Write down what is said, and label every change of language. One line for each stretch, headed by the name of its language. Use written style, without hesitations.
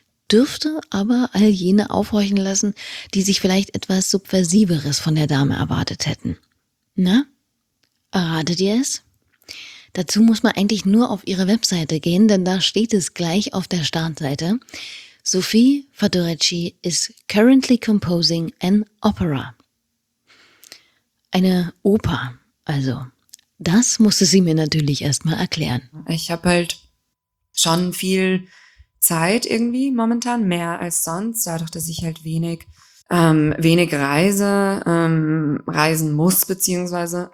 German: Dürfte aber all jene aufhorchen lassen, die sich vielleicht etwas Subversiveres von der Dame erwartet hätten. Na, erratet ihr es? Dazu muss man eigentlich nur auf ihre Webseite gehen, denn da steht es gleich auf der Startseite.
English: Sophie Fadorecci is currently composing an opera.
German: Eine Oper, also. Das musste sie mir natürlich erstmal erklären. Ich habe halt schon viel Zeit irgendwie momentan, mehr als sonst, dadurch, dass ich halt reisen muss, beziehungsweise.